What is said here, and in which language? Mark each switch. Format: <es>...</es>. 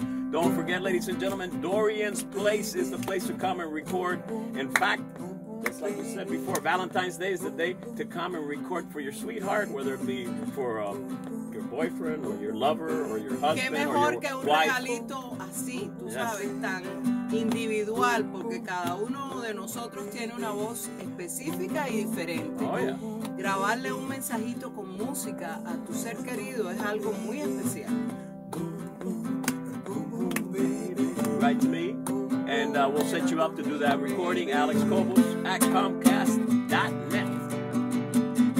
<en>Don't forget, ladies and gentlemen, Dorian's Place is the place to come and record. In fact, just like we said before, Valentine's Day is the day to come and record for your sweetheart, whether it be for your boyfriend or your lover or your husband or your wife.</en> <es>Individual, porque cada uno de nosotros tiene una voz específica y diferente.</es> <en>Oh, yeah.</en> <es>Grabarle un mensajito con música a tu ser querido es algo muy especial.</es> <en>Write to me, and we'll set you up to do that recording, Alex Cobos at Comcast.net.</en>